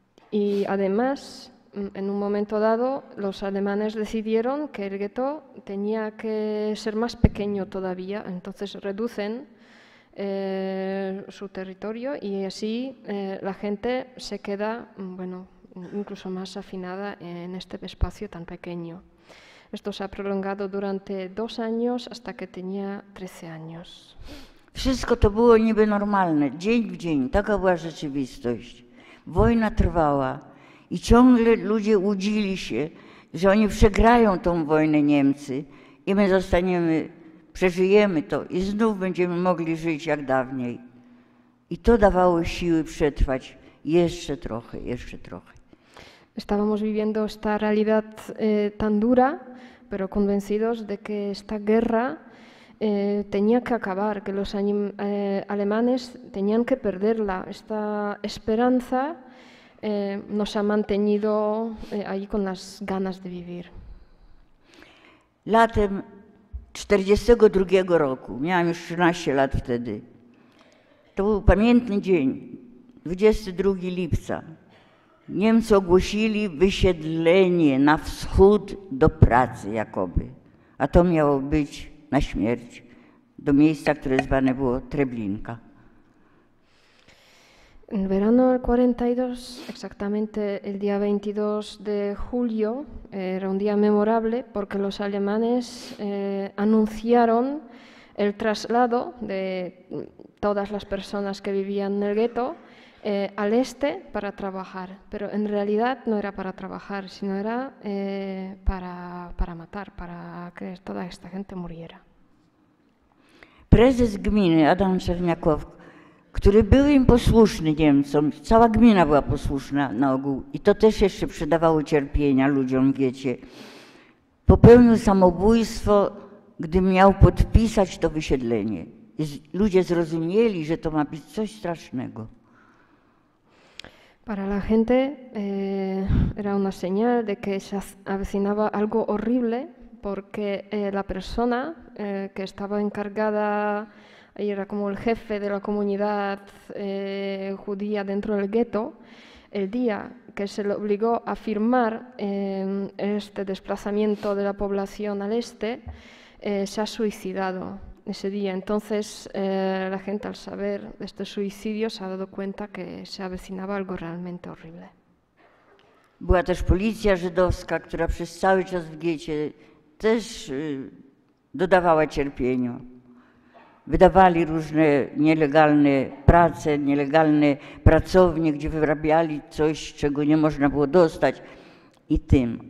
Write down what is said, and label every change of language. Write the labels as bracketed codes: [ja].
[es] Y además, en un momento dado, los alemanes decidieron que el gueto tenía que ser más pequeño todavía, entonces reducen su territorio y así la gente se queda, bueno, incluso más afinada en este espacio tan pequeño. Esto se ha prolongado durante 2 años hasta que tenía 13 años. [pl] Wszystko to było niby normalne, dzień w dzień, taka była rzeczywistość. Wojna trwała i ciągle ludzie łudzili się, że oni przegrają tą wojnę Niemcy i my zostaniemy, przeżyjemy to i znów będziemy mogli żyć jak dawniej. I to dawało siły przetrwać jeszcze trochę, jeszcze trochę. [es] Estábamos viviendo esta realidad tan dura, pero convencidos de que esta guerra tenía que acabar, que los alemanes tenían que perderla. Esta esperanza nos ha mantenido ahí con las ganas de vivir. [pl] Latem 42 roku, miałam już 13 lat wtedy, to był pamiętny dzień, 22 lipca. Niemcy ogłosili wysiedlenie na wschód do pracy jakoby, a to miało być na śmierć, do miejsca, które zwane było Treblinka. [es] En verano del 42, exactamente el día 22 de julio, era un día memorable porque los alemanes anunciaron el traslado de todas las personas que vivían en el gueto al este para trabajar, pero en realidad no era para trabajar, sino era para matar, para que toda esta gente muriera. [pl] Prezes gminy Adam Czerniakow, który był im posłuszny Niemcom, cała gmina była posłuszna na ogół i to też jeszcze przydawało cierpienia ludziom, wiecie, popełnił samobójstwo, gdy miał podpisać to wysiedlenie. Ludzie zrozumieli, że to ma być coś strasznego. [es] Para la gente era una señal de que se avecinaba algo horrible porque la persona que estaba encargada y era como el jefe de la comunidad judía dentro del gueto, el día que se le obligó a firmar este desplazamiento de la población al este, se ha suicidado ese día. Entonces, la gente al saber de este suicidio se ha dado cuenta que se avecinaba algo realmente horrible. [pl] Była też policja żydowska, która przez cały czas w getcie też dodawała cierpieniu. Wydawali różne nielegalne prace, nielegalne pracownie, gdzie wyrabiali coś, czego nie można było dostać i tym.